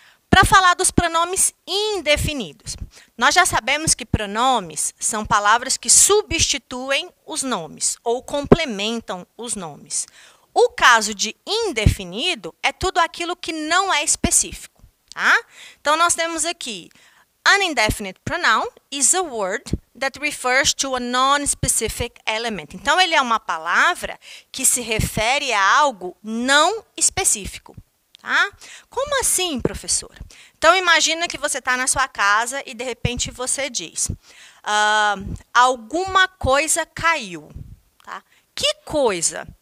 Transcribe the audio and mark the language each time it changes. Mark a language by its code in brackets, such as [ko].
[pt] Para falar dos pronomes indefinidos. Nós já sabemos que pronomes são palavras que substituem os nomes ou complementam os nomes. O caso de indefinido é tudo aquilo que não é específico. Tá? Então, nós temos aqui... [en] An indefinite pronoun is a word that refers to a non-specific element. [pt] Então, ele é uma palavra que se refere a algo não específico. Tá? Como assim, professor? Então, imagina que você está na sua casa e, de repente, você diz alguma coisa caiu. Tá? Que coisa?